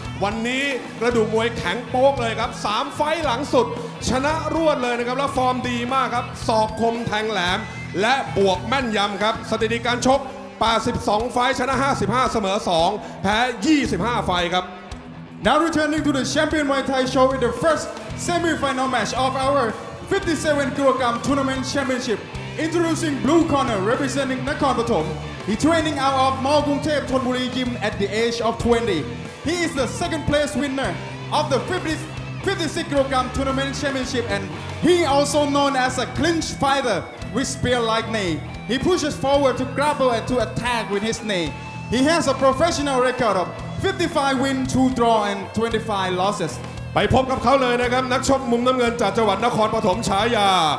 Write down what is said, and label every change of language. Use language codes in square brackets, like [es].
[th] วันนี้กระดูกมวยแข็งโป๊กเลยครับ3ไฟหลังสุดชนะรวดเลยนะครับแล้วฟอร์มดีมากครับศอกคมแทงแหลมและบวกแม่นยำครับสถิติการชก82ไฟชนะ55เสมอ2แพ้25ไฟครับ [en] Now returning to the Champion Muay Thai Show in the first semi-final match of our 57 kilogram tournament championship introducing blue corner representing Nakhon Pathom he training out of Mo Kung Thep Thonburi Gym at the age of 20 he is the second place winner of the 56 kilogram tournament championship and he also known as a clinch fighter with spear like knee he pushes forward to grapple and to attack with his knee he has a professional record of 55 win 2 draw and 25 losses [th] ไปพบกับเขาเลยนะครับนักชกมุมน้ำเงินจากจังหวัดนครปฐมฉายา